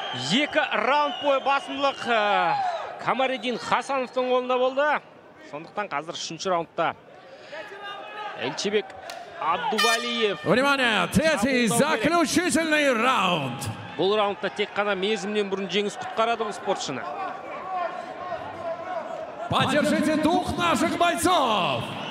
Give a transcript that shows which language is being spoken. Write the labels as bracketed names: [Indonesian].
[Kazakh] Екі раунд бойы басымдылық Камариддин Хасановтың қолында болды. Сондықтан қазір үшінші раундта Эльчибек Абдувалиев. [Russian] Внимание, третий заключительный раунд. [Kazakh] Бұл раундта тек қана мезімнен бұрын жеңіс құтқарады бұл спортшыны. [Russian] Поддержите дух наших бойцов.